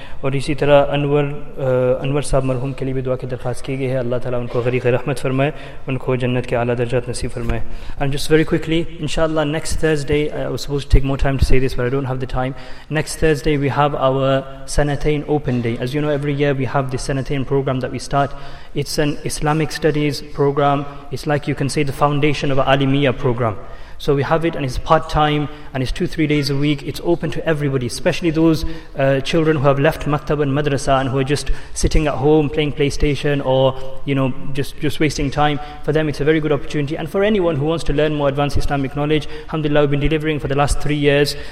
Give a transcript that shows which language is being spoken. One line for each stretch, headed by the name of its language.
Urdu: اور اسی طرح انور صاحب مرحوم کے لیے بھی دعا کی درخواست کی گئی ہے, اللہ تعالیٰ ان کو غریق رحمت فرمائے, ان کو جنت کے اعلیٰ درجات نصیب فرمائے.
English: And just very quickly, ان شاء اللہ next Thursday, I was suppose to take more time to say this but I don't have the time, next Thursday we have our سنتین open day. As you know every year we have this سنتین programme that we start, it's an Islamic studies programme, it's like you can see the foundation of عالمیہ programme. So we have it, and it's part-time, and it's 2-3 days a week. It's open to everybody, especially those children who have left maktab and madrasa and who are just sitting at home playing PlayStation, or, you know, just wasting time. For them, it's a very good opportunity. And for anyone who wants to learn more advanced Islamic knowledge, alhamdulillah, we've been delivering for the last 3 years.